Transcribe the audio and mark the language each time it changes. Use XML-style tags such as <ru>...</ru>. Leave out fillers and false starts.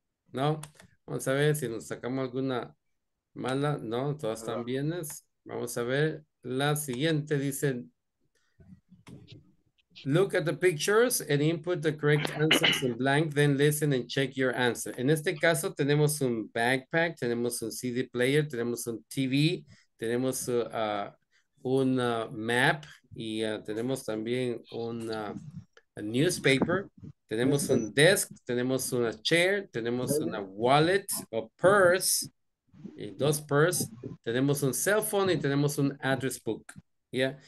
<es>No, vamos a ver si nos sacamos alguna mala. No, todas están bien. Vamos a ver la siguiente. Dice:</es> <en>look at the pictures and input the correct answers in blank, then listen and check your answer.</en> <es>En este caso, tenemos un backpack, tenemos un CD player, tenemos un TV, tenemos un map y tenemos también un newspaper. Tenemos un desk, tenemos una chair, tenemos una wallet o purse, y dos purse, tenemos un cell phone y tenemos un address book. ¿Ya?</es>